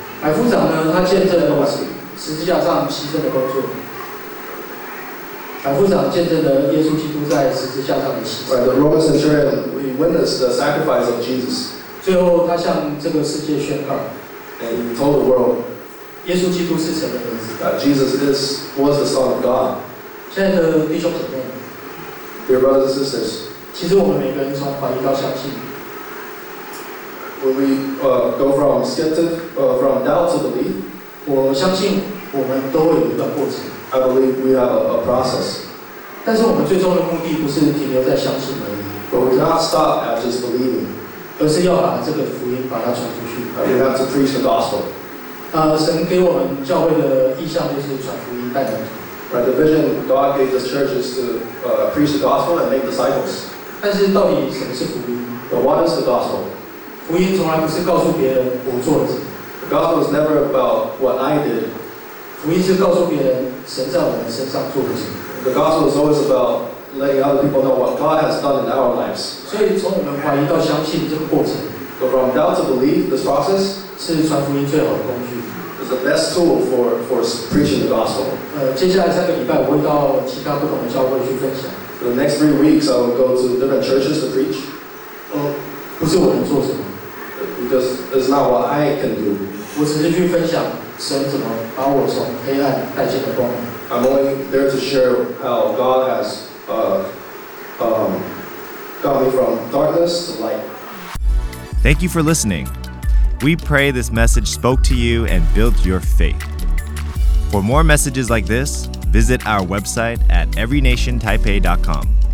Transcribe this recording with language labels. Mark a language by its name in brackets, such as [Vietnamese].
[Chinese] 海夫长呢，他见证了十字架上牺牲的工作。海夫长见证了耶稣基督在十字架上的牺牲。 [English] Right, the Roman centurion, we witnessed the sacrifice of Jesus. [Chinese] 最后，他向这个世界宣告。 [English] And he told the world, [Chinese] 耶稣基督是神的儿子。 [English] That Jesus was the Son of God. [Chinese] 现在的弟兄姐妹 [English] Dear brothers and sisters, [Chinese] 其实我们每个人从怀疑到相信。 [English] When we go from skeptic, from doubt to belief, [Chinese] 我相信我们都会有一段过程。 [English] I believe we have a process. [Chinese] 但是我们最终的目的不是停留在相信而已。 [English] But we cannot stop at just believing. [Chinese] 而是要把这个福音把它传出去。 [English] We have to preach the gospel. [Chinese] 神给我们教会的意向就是传福音带门徒。 [English] Right, the vision God gave the church is to preach the gospel and make disciples. [Chinese] 但是到底什么是福音 [English] ？But what is the gospel? [Chinese] 福音从来不是告诉别人我做了什么。 [English] The gospel is never about what I did. [Chinese] 福音是告诉别人神在我们身上做了什么。 [English] The gospel is always about letting other people know what God has done in our lives. [Chinese] 所以从我们怀疑到相信这个过程 [English] ，But from doubt to belief, this process [Chinese] 是传福音最好的工具。 [English] It's the best tool for preaching the gospel. [Chinese] 接下来3个礼拜我会到其他不同的教会去分享。 [English] The next 3 weeks I will go to different churches to preach. [Chinese] 不是我能做什么 [English] ，Because it's not what I can do. [Chinese] 我只是去分享。神怎么把我从黑暗带进了光明 [English] ？I'm only there to share how God has got me from darkness to light. Thank you for listening. We pray this message spoke to you and built your faith. For more messages like this, visit our website at everynationtaipei.com.